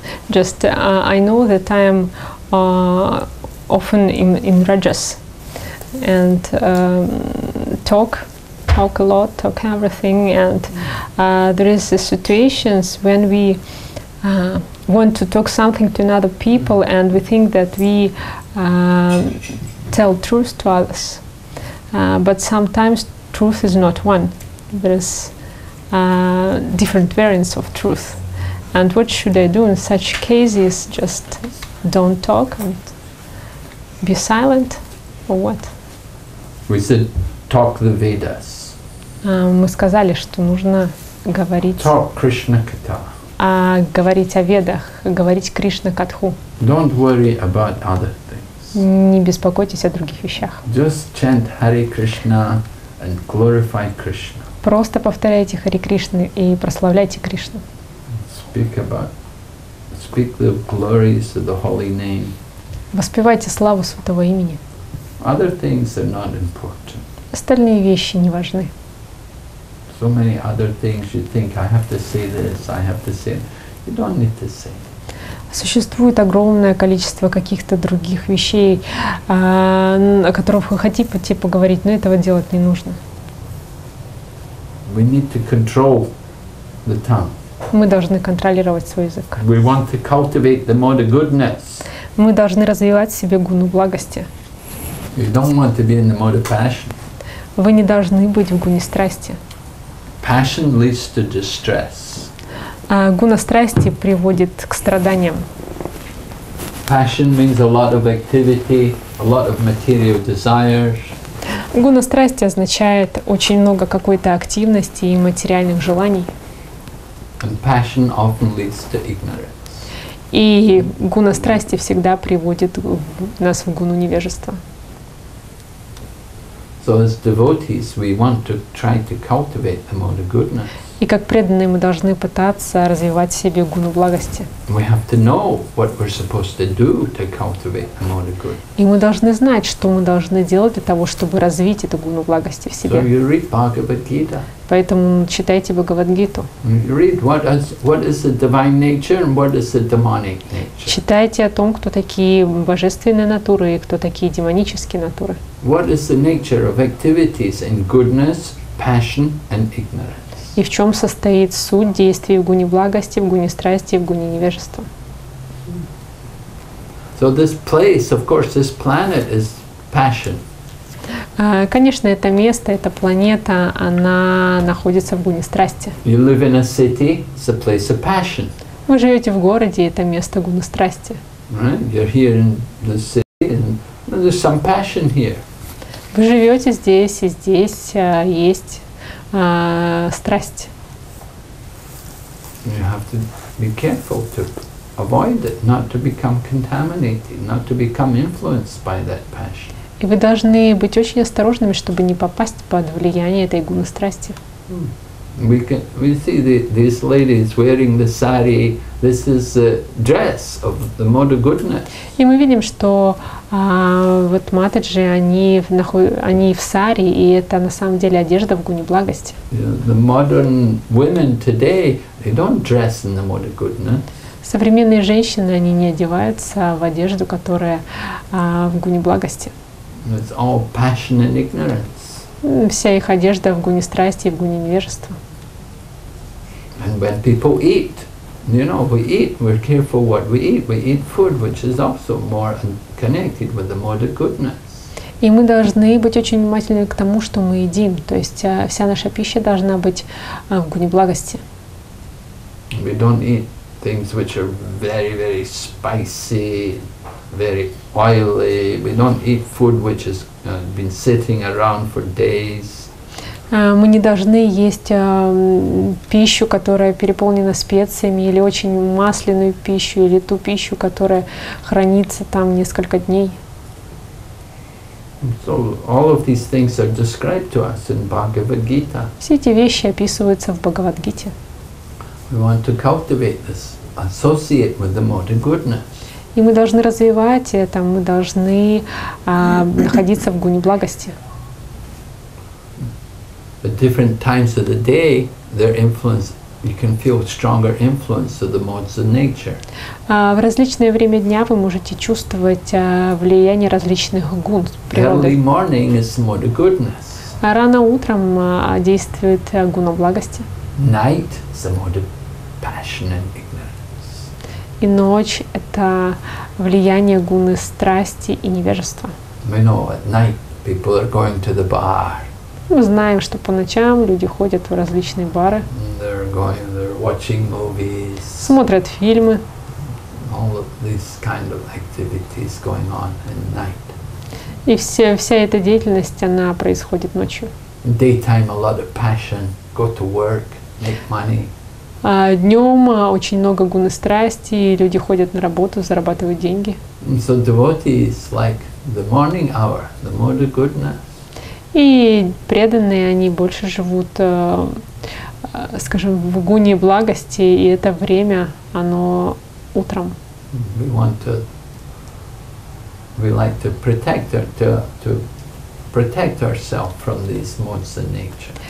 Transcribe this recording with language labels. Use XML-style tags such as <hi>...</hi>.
<en>Just I know that I am often in rajas and talk a lot, talk everything, and there is situations when we want to talk something to another people, and we think that we tell truth to others, but sometimes truth is not one. There is different variants of truth, and what should I do in such cases? Just don't talk and be silent, or what? We said talk the Vedas.</en> <ru>Мы сказали, что нужно говорить.</ru> <en>Talk Krishna Katha.</en> <ru>А говорить о ведах, говорить Кришна Катху.</ru> <en>Don't worry about other things.</en> <ru>Не беспокойтесь о других вещах.</ru> <en>Just chant Hare Krishna and glorify Krishna.</en> <ru>Просто повторяйте Хари Кришны и прославляйте Кришну.</ru> <en>Speak the glories of the holy name.</en> <ru>Воспевайте славу Святого Имени.</ru> <en>Other things are not important.</en> <ru>остальные вещи не важны.</ru> <en>So many other things you think, I have to say this, I have to say. You don't need to say.</en> <ru>Существует огромное количество каких-то других вещей, о которых вы хотите поговорить, но этого делать не нужно.</ru> <en>We need to control the tongue.</en> <ru>Мы должны контролировать свой язык.</ru> <en>We want to cultivate the mode of goodness.</en> <ru>Мы должны развивать в себе гуну благости.</ru> <en>You don't want to be in the mode of passion.</en> <ru>Вы не должны быть в гуне страсти.</ru> <en>Passion leads to distress.</en> <ru>Гуна страсти приводит к страданиям.</ru> <en>Passion means a lot of activity, a lot of material desires.</en> <ru>Гуна страсти означает очень много какой-то активности и материальных желаний.</ru> <en>And passion often leads to ignorance.</en> <ru>И гуна страсти всегда приводит нас в гуну невежества.</ru> <en>So as devotees, we want to try to cultivate the mode of goodness.</en> <ru>И как преданные мы должны пытаться развивать в себе гуну благости.</ru> <en>We have to know what we're supposed to do to cultivate the mode of good.</en> <ru>И мы должны знать, что мы должны делать для того, чтобы развить эту гуну благости в себе.</ru> <en>So you read Bhagavad Gita.</en> <ru>Поэтому читайте Бхагавад Гиту.</ru> <en>Read what is the divine nature and what is the demonic nature.</en> <ru>Читайте о том, кто такие божественные натуры и кто такие демонические натуры.</ru> <en>What is the nature of activities in goodness, passion and ignorance?</en> <ru>И в чем состоит суть действий в гуне благости, в гуне страсти, в гуне невежества?</ru> <en>So this place, of course, this planet is passion.</en> <ru>Конечно, это место, эта планета, она находится в гуне страсти.</ru> <en>You live in a city, it's a place of passion.</en> <ru>Вы живете в городе, это место гуны страсти.</ru> <en>Right? You're here in the city, and there's some passion here.</en> <ru>Вы живете здесь, и здесь есть страсть.</ru> <en>You have to be careful to avoid it, not to become contaminated, not to become influenced by that passion.</en> <ru>И вы должны быть очень осторожными, чтобы не попасть под влияние этой гуны страсти.</ru> <en>We see these ladies wearing the sari. This is the dress of the mode of goodness.</en> <ru>И мы видим, что вот матаджи, они в сари, и это на самом деле одежда в гуне благости.</ru> <en>The modern women today, they don't dress in the mode of goodness.</en> <ru>Современные женщины, они не одеваются в одежду, которая в гуне благости.</ru> <en>It's all passion and ignorance.</en> <ru>Вся их одежда в гуне страсти и в гуне невежества.</ru> <en>And when people eat, you know, we eat, we're careful what we eat. We eat food, which is also more connected with the mode of goodness.</en> <ru>И мы должны быть очень внимательны к тому, что мы едим. То есть вся наша пища должна быть в гуне благости.</ru> <en>We don't eat things which are very, very spicy, very oily. We don't eat food which has been sitting around for days.</en> <ru>Мы не должны есть пищу, которая переполнена специями, или очень масляную пищу, или ту пищу, которая хранится там несколько дней.</ru> <en>So all of these things are described to us in Bhagavad Gita.</en> <ru>Все эти вещи описываются в Бхагавад Гите.</ru> <en>We want to cultivate this, associate with the mode of goodness.</en> <ru>И мы должны развивать это, мы должны находиться в гуне благости.</ru> <en>At different times of the day, their influence, you can feel stronger influence of the modes of nature.</en> <ru>В различное время дня вы можете чувствовать влияние различных гун природы.</ru> <en>Early morning is the mode of goodness.</en> <ru>Рано утром действует гуна благости.</ru> <en>Night is the mode of passion and ignorance.</en> <ru>И ночь — это влияние гуны страсти и невежества.</ru> <en>We know at night people are going to the bar.</en> <ru>Мы знаем, что по ночам люди ходят в различные бары,</ru> <en>they're watching movies,</en> <ru>смотрят фильмы.</ru> <en>All of these kind of activities going on at night.</en> <ru>И вся эта деятельность, она происходит ночью.</ru> <en>Daytime, a lot of passion, go to work, make money.</en> <ru>Днем очень много гуны страсти, люди ходят на работу, зарабатывают деньги.</ru> <en>So devotees like the morning hour, the mode of goodness.</en> <ru>И преданные, они больше живут, скажем, в гуне благости, и это время, оно утром.</ru> <en>We like to protect or to protect ourselves from these modes of nature.</en>